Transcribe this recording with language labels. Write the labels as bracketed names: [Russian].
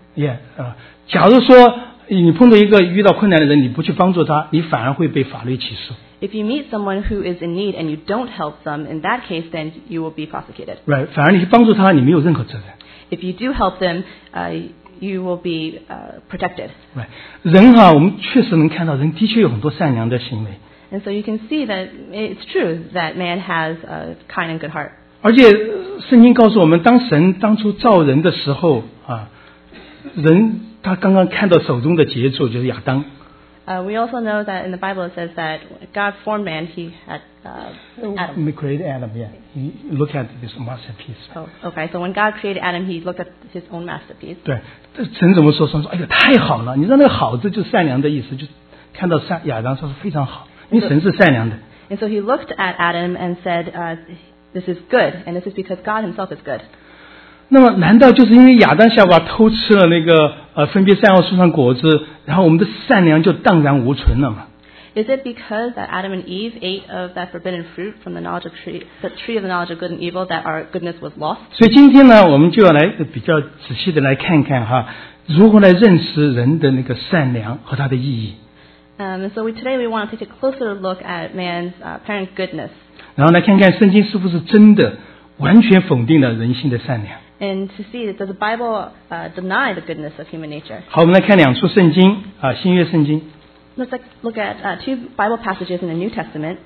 [Chinese] Yeah, 假如说你碰到一个遇到困难的人，你不去帮助他，你反而会被法律起诉。 [English] If you meet someone who is in need and you don't help them, in that case, then you will be prosecuted. [Chinese] Right, 反而你去帮助他，你没有任何责任。 [English] If you do help them, you will be protected. [Chinese] Right, 人啊，我们确实能看到，人的确有很多善良的行为。 [English] And so you can see that it's true that man has a kind and good heart. [Chinese] 而且圣经告诉我们，当神当初造人的时候啊，人他刚刚看到手中的杰作就是亚当。 [English] We also know that in the Bible it says that God formed man, he had Adam. He created Adam, yeah. He looked at his masterpiece. Oh, okay, so when God created Adam, he looked at his own masterpiece. [Chinese] 对，神怎么说？神说，哎呀，太好了！你知道那个好字就是善良的意思，就看到亚当说是非常好，因为神是善良的。 [English] And so he looked at Adam and said, this is good, and this is because God himself is good. [Chinese] 那么难道就是因为亚当夏娃偷吃了那个分别善恶树上果子，然后我们的善良就荡然无存了吗 [English] ？Is it because that Adam and Eve ate of that forbidden fruit from the knowledge of the tree of the knowledge of good and evil that our goodness was lost？ [Chinese] 所以今天呢，我们就要来比较仔细的来看看哈，如何来认识人的那个善良和它的意义。 [English] Today we want to take a closer look at man's apparent goodness。 [Chinese] 然后来看看圣经是不是真的完全否定了人性的善良。 [English] And to see, does the Bible deny the goodness of human nature? [Chinese] 好，我们来看两处圣经啊，新约圣经。 [English] Let's look at two Bible passages in the New Testament.